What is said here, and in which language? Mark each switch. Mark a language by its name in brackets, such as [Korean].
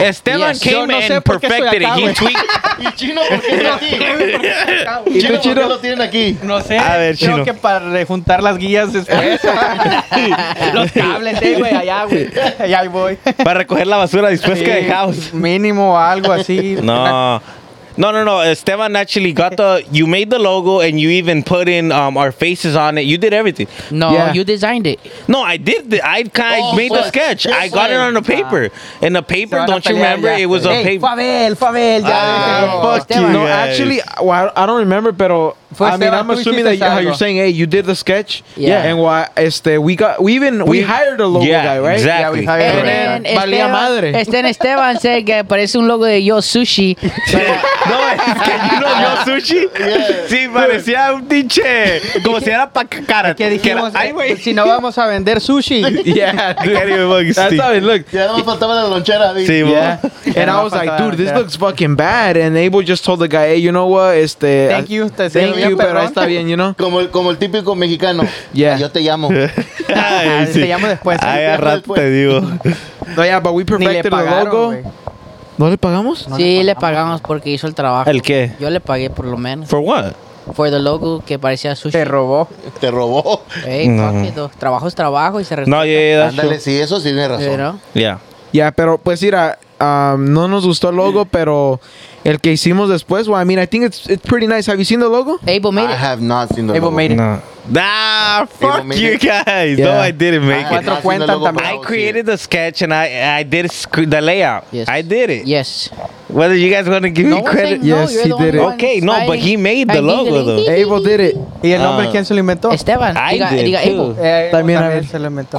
[English] Esteban came and perfected it. [Spanish] Y Chino, ¿por qué no tiene aquí? Chino, ¿por qué lo tienen aquí? No sé. A ver, Chino. Creo que para rejuntar las guías después. Los cables, güey, allá, güey. Allá voy. Para recoger la basura después que dejamos. Mínimo algo así. No. No, no, no. [English] Esteban actually got the... You made the logo and you even put in our faces on it. You did everything. No, yeah. You designed it. No, I did. I made the sketch. I got it on a paper. In a paper, don't you remember? Yeah. It was a paper. Favel. Fuck you. No, actually, well, I don't remember, pero... I'm assuming that you're saying, hey, you did the sketch. Yeah. And why, we hired a logo guy, right? Exactly. Yeah, we hired a logo guy. And then Esteban, madre. Esteban said [Spanish] que parece un logo de Yo Sushi. No, es que [English] you know Yo Sushi. Yeah. [Spanish] Sí, parecía un tiche. Como si era para cacar. Que dijimos, si no vamos a vender sushi. [English] Yeah. That's how it looked. [Spanish] Ya nos faltaba la lonchera. Sí, yeah. [English] And I was like, dude, this looks fucking bad. And Abel just told the guy, hey, you know what? Thank you. Thank you, [Spanish] pero está bien, [English] you know? [Spanish] Como el típico mexicano. [English] Yeah. [Spanish] Yo te llamo. Ay, sí. Te llamo después. Ay, a rato te digo. [English] No, yeah, but we perfected the logo. [Spanish] ¿No le pagamos? No, sí, le pagamos porque hizo el trabajo. ¿El qué? Yo le pagué por lo menos. [English] ¿For what? For the logo [Spanish] que parecía sushi. Te robó. Hey, no. Trabajo es trabajo y se resuelve. No, ándale, sí, eso sí tiene razón. ¿No? Yeah, pero pues mira, no nos gustó el logo, pero el que hicimos después, [English] well, I mean, I think it's pretty nice. Have you seen the logo? Abel made it. I have not seen the logo. Abel made it. No. Nah, fuck you guys. Yeah. No, I didn't make it. I created the sketch and I did the layout. Yes. I did it. Yes. Whether you guys want to give no me credit. No, yes, he did it. Okay, no, but he made the logo, though. Abel did it. [Spanish] ¿Y el nombre quién se lo inventó? Esteban. Diga Abel. También Abel se lo inventó.